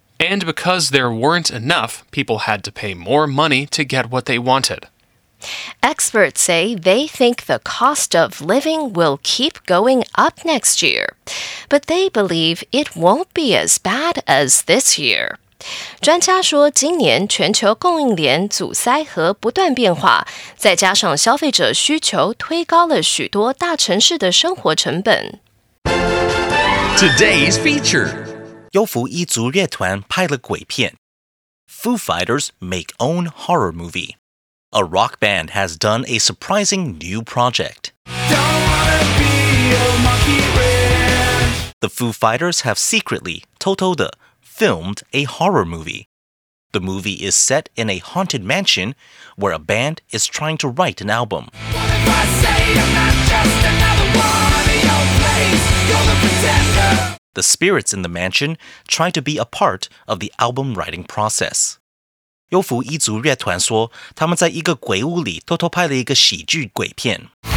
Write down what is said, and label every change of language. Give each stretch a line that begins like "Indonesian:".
English: And because there weren't enough, people had to pay more money to get what they wanted. Experts say they think the cost of living will keep going up next year, but they believe it won't be as bad as this year.
Chinese: 专家说，今年全球供应链阻塞和不断变化，再加上消费者需求推高了许多大城市的生活成本。
English: Today's feature，
Chinese: 优福一族乐团拍了鬼片。
English: Foo Fighters make own horror movie。 A rock band has done a surprising new project。 Don't wanna be a monkey man。 The Foo Fighters have secretly, totally filmed a horror movie. The movie is set in a haunted mansion where a band is trying to write an album. What if I say I'm not just another one in your place? You're the pretender. The spirits in the mansion try to be a part of the album writing process.
Chinese: 优福一族乐团说，他们在一个鬼屋里偷偷拍了一个喜剧鬼片。